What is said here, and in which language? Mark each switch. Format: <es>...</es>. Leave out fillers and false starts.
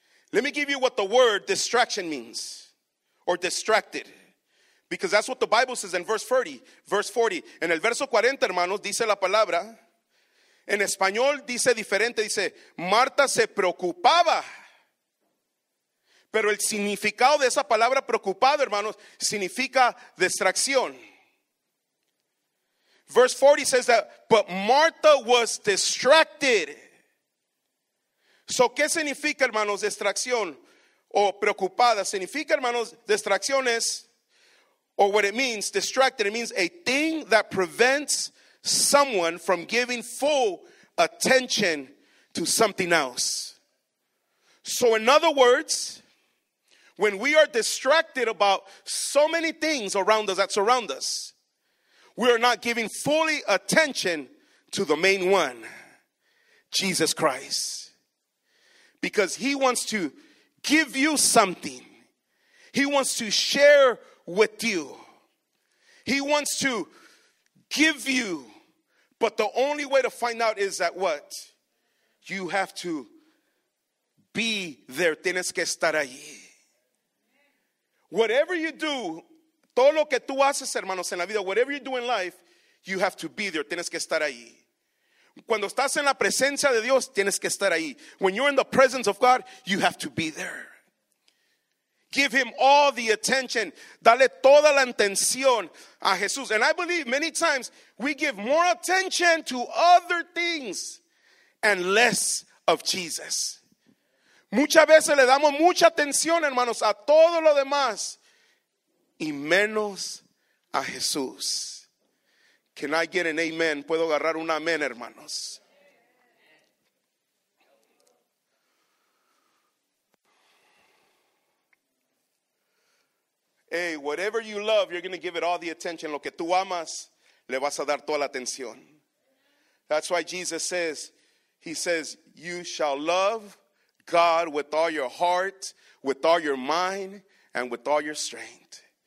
<en>Let me give you what the word distraction means, or distracted. Because that's what the Bible says in verse 40. Verse 40.</en> <es>En el verso 40, hermanos, dice la palabra. En español dice diferente, dice, Marta se preocupaba. Pero el significado de esa palabra preocupado, hermanos, significa distracción.</es> <en>Verse 40 says that, but Martha was distracted.</en> <es>So, ¿qué significa, hermanos, distracción o preocupada? Significa, hermanos, distracción es,</es> <en>or what it means, distracted, it means a thing that prevents someone from giving full attention to something else. So, in other words, when we are distracted about so many things around us, that surround us, we are not giving fully attention to the main one, Jesus Christ. Because he wants to give you something. He wants to share with you. He wants to give you. But the only way to find out is that what? You have to be there.</en> <es>Tienes que estar ahí.</es> <en>Whatever you do,</en> <es>todo lo que tú haces, hermanos, en la vida,</es> <en>whatever you do in life, you have to be there.</en> <es>Tienes que estar ahí. Cuando estás en la presencia de Dios, tienes que estar ahí.</es> <en>When you're in the presence of God, you have to be there. Give him all the attention.</en> <es>Dale toda la atención a Jesús.</es> <en>And I believe many times we give more attention to other things and less of Jesus.</en> <es>Muchas veces le damos mucha atención, hermanos, a todo lo demás y menos a Jesús.</es> <en>Can I get an amen?</en> <es>Puedo agarrar un amén, hermanos.</es> <en>Hey, whatever you love, you're going to give it all the attention.</en> <es>Lo que tú amas, le vas a dar toda la atención.</es> <en>That's why Jesus says, he says, you shall love God with all your heart, with all your mind, and with all your strength.</en>